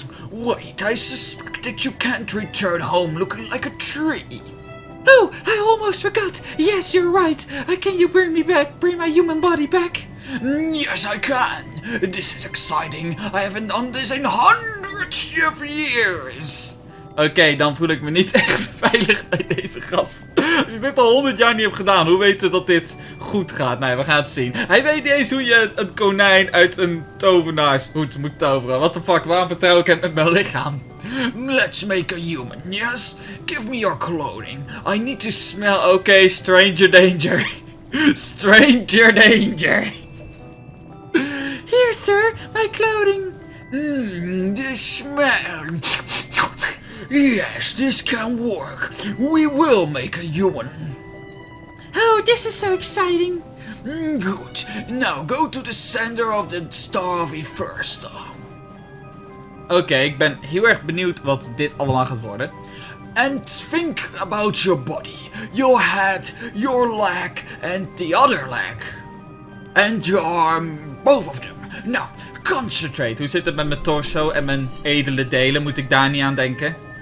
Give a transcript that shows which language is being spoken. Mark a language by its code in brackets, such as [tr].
[en] Wait, I suspect that you can't return home looking like a tree. Oh, I almost forgot. Yes, you're right. Can you bring me back, bring my human body back? Yes, I can. This is exciting. I haven't done this in hundreds of years. [nl] Oké, dan voel ik me niet echt veilig bij deze gast. Als ik dit al 100 jaar niet heb gedaan, hoe weten we dat dit goed gaat? Nee, we gaan het zien. Hij weet niet eens hoe je een konijn uit een tovenaarshoed moet toveren. [en] What the fuck, [nl] waarom vertrouw ik hem met mijn lichaam? [en] Let's make a human, yes? Give me your clothing. I need to smell... Oké, stranger danger. Stranger danger. Here, sir, my clothing. The smell... Yes, this can work. We will make a human. Oh, this is so exciting. Good. Now go to the center of the star of Ephirsta. [nl] Okay, ik ben heel erg benieuwd wat dit allemaal gaat worden. [en] And think about your body, your head, your leg, and the other leg. And your arm, both of them. Now, concentrate. [nl] Hoe zit het met mijn torso en mijn edele delen? Moet ik daar niet aan denken?